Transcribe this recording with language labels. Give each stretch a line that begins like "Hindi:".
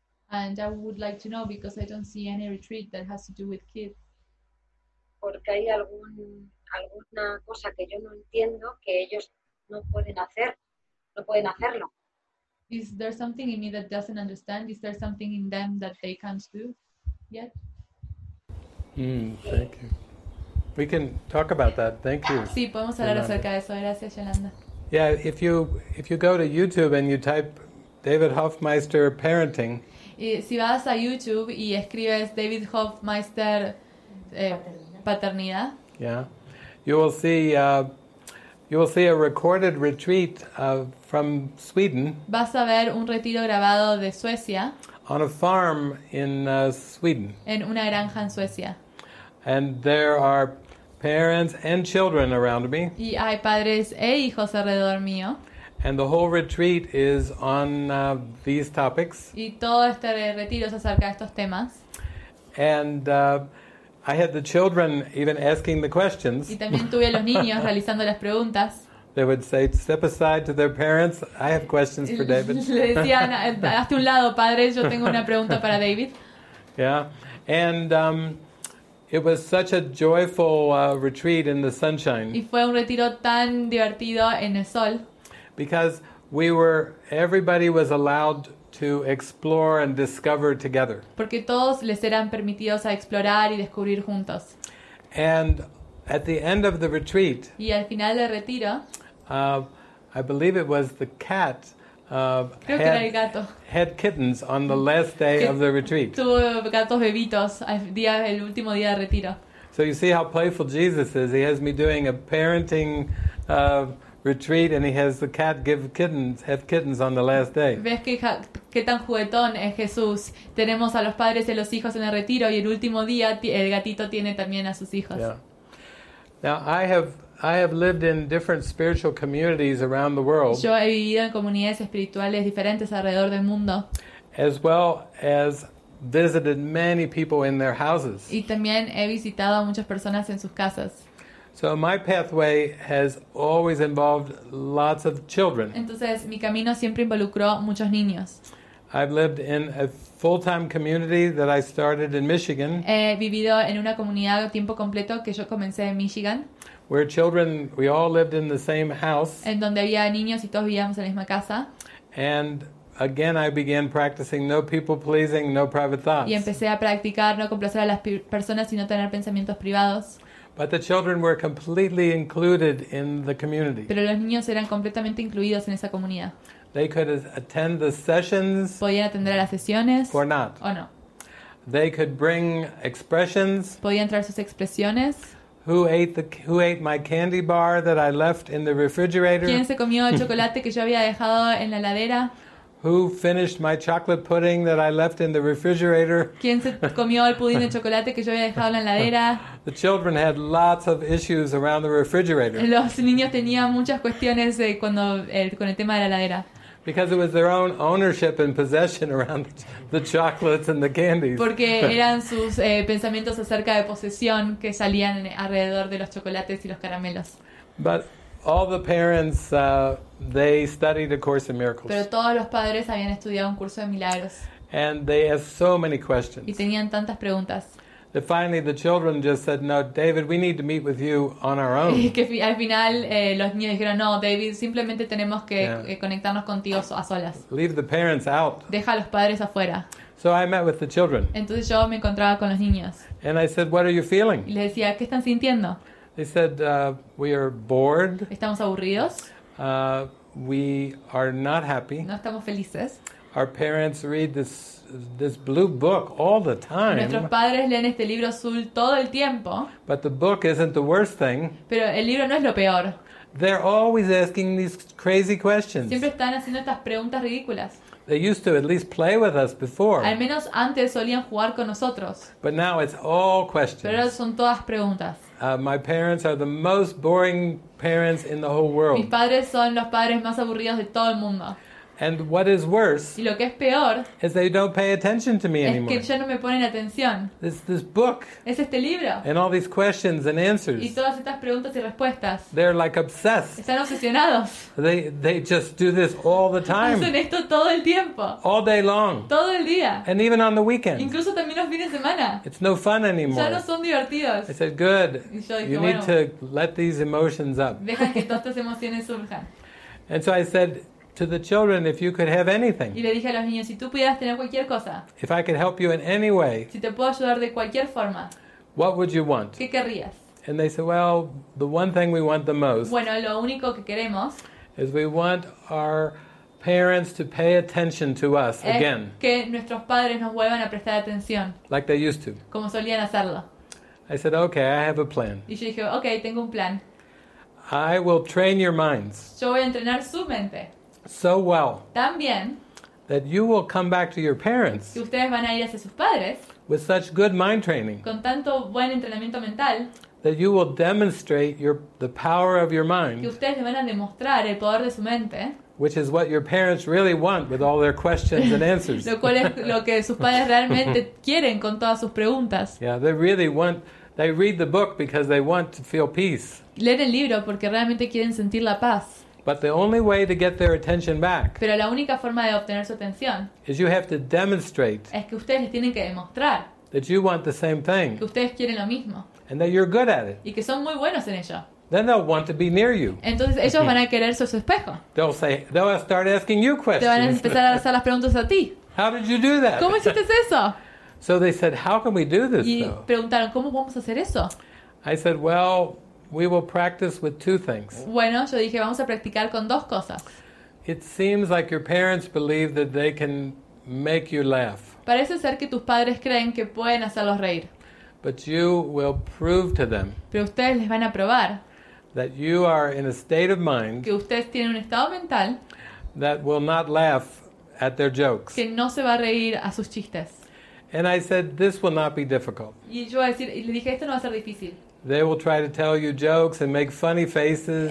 English: And I would like to know because I don't see any retreat that has to do with kids.
Spanish: Porque hay alguna cosa que yo no entiendo que ellos no pueden hacer, no pueden hacerlo.
English: Is there something in me that doesn't understand? Is there something in them that they can't do yet? Thank you. We can talk about that. Thank you.
Spanish: Sí, podemos hablar acerca de eso. Gracias, Yolanda.
English: Yeah, if you go to YouTube and you type David Hoffmeister parenting.
Spanish: Si vas a YouTube y escribes David Hoffmeister paternidad.
English: Yeah, you will see. You will see a recorded retreat from Sweden.
Spanish: Vas a ver un retiro grabado de Suecia.
English: On a farm in Sweden.
Spanish: En una granja en Suecia.
English: And there are parents and children around me.
Spanish: Y hay padres e hijos alrededor mío.
English: And the whole retreat is on these topics.
Spanish: Y todo este retiro es acerca de estos temas.
English: And I had the children even asking the questions.
Spanish: Y también tuve a los niños realizando las preguntas.
English: They would say, "Step aside to their parents. I have questions for David."
Spanish: Le decían, "Hazte un lado, padre. Yo tengo una pregunta para David."
English: Yeah, and it was such a joyful retreat in the sunshine.
Spanish: Y fue un retiro tan divertido en el sol.
English: Because everybody was allowed to explore and discover together.
Spanish: Porque todos les eran permitidos a explorar y descubrir juntos.
English: And at the end of the retreat,
Spanish: y al final del retiro,
English: I believe it was the cat
Spanish: creo que era el gato.
English: Had kittens on the last day of the retreat.
Spanish: Tuvo gatos bebitos el último día de retiro.
English: So you see how playful Jesus is. He has me doing a parenting retreat and he has the cat have kittens on the last day.
Spanish: ¿Ves qué tan juguetón es Jesús? Tenemos a los padres y los hijos en el retiro y el último día el gatito tiene también a sus hijos.
English: Yeah. Now I have lived in different spiritual communities around the world.
Spanish: Yo he vivido en comunidades espirituales diferentes alrededor del mundo.
English: As well as visited many people in their houses.
Spanish: Y también he visitado a muchas personas en sus casas.
English: So my pathway has always involved lots of children.
Spanish: Entonces, mi camino siempre involucró muchos niños.
English: I've lived in a full-time community that I started in Michigan.
Spanish: He vivido en una comunidad a tiempo completo que yo comencé en Michigan.
English: Where children, we all lived in the same house.
Spanish: En donde había niños y todos vivíamos en la misma casa.
English: And again, I began practicing no people-pleasing, no private thoughts.
Spanish: Y empecé a practicar no complacer a las personas y no tener pensamientos privados.
English: But the children were completely included in the community.
Spanish: Pero los niños eran completamente incluidos en esa comunidad.
English: They could attend the sessions.
Spanish: Podían atender a las sesiones.
English: Or not.
Spanish: O no.
English: They could bring expressions.
Spanish: Podían traer sus expresiones.
English: Who ate my candy bar that I left in the refrigerator?
Spanish: ¿Quién se comió el chocolate que yo había dejado en la heladera?
English: Who finished my chocolate pudding that I left in the refrigerator?
Spanish: ¿Quién se comió el pudín de chocolate que yo había dejado en la heladera?
English: The children had lots of issues around the refrigerator.
Spanish: Los niños tenían muchas cuestiones con el tema de la heladera.
English: Because it was their own ownership and possession around the chocolates and the candies.
Spanish: Porque eran sus pensamientos acerca de posesión que salían alrededor de los chocolates y los caramelos.
English: But all the parents they studied A Course in Miracles.
Spanish: Pero todos los padres habían estudiado un curso de milagros.
English: And they asked so many questions.
Spanish: Y tenían tantas preguntas.
English: That finally the children just said, no, David, we need to meet with you on our own.
Spanish: Y que al final los niños dijeron, no, David, simplemente tenemos que conectarnos contigo a solas.
English: Leave the parents out.
Spanish: Deja a los padres afuera.
English: So I met with the children.
Spanish: Entonces yo me encontraba con los niños.
English: And I said, what are you feeling?
Spanish: Y les decía, ¿qué están sintiendo?
English: They said, we are bored.
Spanish: Estamos aburridos.
English: We are not happy.
Spanish: No estamos felices.
English: Our parents read this blue book all the time.
Spanish: Nuestros padres leen este libro azul todo el tiempo.
English: But the book isn't the worst thing.
Spanish: Pero el libro no es lo peor.
English: They're always asking these crazy questions.
Spanish: Siempre están haciendo estas preguntas ridículas.
English: They used to at least play with us before.
Spanish: Al menos antes solían jugar con nosotros.
English: But now it's all questions.
Spanish: Pero ahora son todas preguntas.
English: My parents are the most boring parents in the whole world.
Spanish: Mis padres son los padres más aburridos de todo el mundo.
English: And what is worse,
Spanish: y lo que es peor,
English: is they don't pay attention to me anymore.
Spanish: Es que ya no me ponen atención.
English: This book,
Spanish: es este libro,
English: and all these questions and answers,
Spanish: y todas estas preguntas y respuestas,
English: they're like obsessed.
Spanish: Están obsesionados.
English: They just do this all the time.
Spanish: Hacen esto todo el tiempo.
English: All day long.
Spanish: Todo el día.
English: And even on the weekends.
Spanish: Incluso también los fines de semana.
English: It's no fun anymore.
Spanish: Ya no son divertidos.
English: I said, good.
Spanish: Y yo dije,
English: you need to let these emotions up.
Spanish: Deja que todas estas emociones surjan.
English: And so I said to the children, if you could have anything.
Spanish: Y le dije a los niños, si tú pudieras tener cualquier cosa.
English: If I could help you in any way.
Spanish: Si te puedo ayudar de cualquier forma.
English: What would you want?
Spanish: ¿Qué querrías?
English: And they said, well, the one thing we want the most.
Spanish: Bueno, lo único que queremos.
English: Is we want our parents to pay attention to us again.
Spanish: Es que nuestros padres nos vuelvan a prestar atención.
English: Like they used to.
Spanish: Como solían hacerlo.
English: I said, okay, I have a plan.
Spanish: Y yo dije, okay, tengo un plan.
English: I will train your minds.
Spanish: Yo voy a entrenar su mente.
English: So well.
Spanish: También,
English: that you will come back to your parents.
Spanish: Que ustedes van a ir hacia sus padres.
English: With such good mind training.
Spanish: Con tanto buen entrenamiento mental.
English: That you will demonstrate the power of your mind.
Spanish: Que ustedes van a demostrar el poder de su mente.
English: Which is what your parents really want with all their questions and answers.
Spanish: Lo cual es lo que sus padres realmente quieren con todas sus preguntas.
English: Yeah, they really want. They read the book because they want to feel peace.
Spanish: Leen el libro porque realmente quieren sentir la paz.
English: But the only way to get their attention back.
Spanish: Pero la única forma de obtener su atención.
English: Is you have to demonstrate.
Spanish: Es que ustedes les tienen que demostrar.
English: That you want the same thing.
Spanish: Que ustedes quieren lo mismo.
English: And that you're good at it.
Spanish: Y que son muy buenos en ello.
English: Then they'll want to be near you.
Spanish: Entonces ellos van a querer ser su espejo.
English: They'll start asking you questions.
Spanish: Te van a empezar a hacer las preguntas a ti.
English: How did you do that?
Spanish: ¿Cómo hiciste eso?
English: So they said, how can we do this though?
Spanish: Y preguntaron, ¿cómo vamos a hacer eso?
English: I said, well, we will practice with two things.
Spanish: Bueno, yo dije, vamos a practicar con dos cosas.
English: It seems like your parents believe that they can make you laugh.
Spanish: Parece ser que tus padres creen que pueden hacerlos reír.
English: But you will prove to them.
Spanish: Pero ustedes les van a probar.
English: That you are in a state of mind.
Spanish: Que ustedes tienen un estado mental.
English: That will not laugh at their jokes.
Spanish: Que no se va a reír a sus chistes.
English: And I said, this will not be difficult.
Spanish: Y yo le dije, esto no va a ser difícil.
English: They will try to tell you jokes and make funny faces.